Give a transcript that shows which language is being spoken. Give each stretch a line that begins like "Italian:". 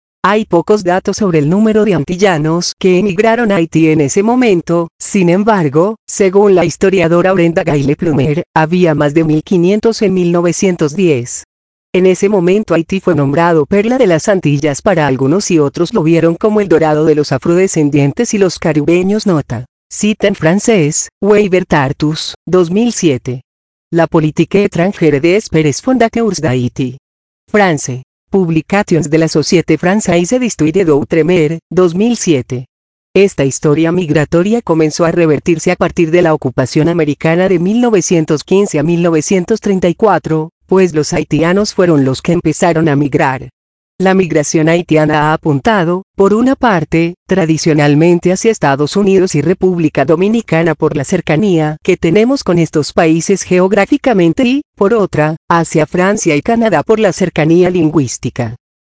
Spanish: Hay pocos datos sobre el número de antillanos que emigraron a Haití en ese momento, sin embargo, según la historiadora Brenda Gayle Plumer, había más de 1.500 en 1910. En ese momento Haití fue nombrado Perla de las Antillas para algunos y otros lo vieron como el dorado de los afrodescendientes y los caribeños. Nota. Cita en francés, Weyver Tartus, 2007.
French: La politique étrangère des pères fondateurs d'Haïti. France. Publications de la Société Française d'Histoire d'Outre-mer, 2007.
Spanish: Esta historia migratoria comenzó a revertirse a partir de la ocupación americana de 1915 a 1934. Pues los haitianos fueron los que empezaron a migrar. La migración haitiana ha apuntado, por una parte, tradicionalmente hacia Estados Unidos y República Dominicana por la cercanía que tenemos con estos países geográficamente y, por otra, hacia Francia y Canadá por la cercanía lingüística.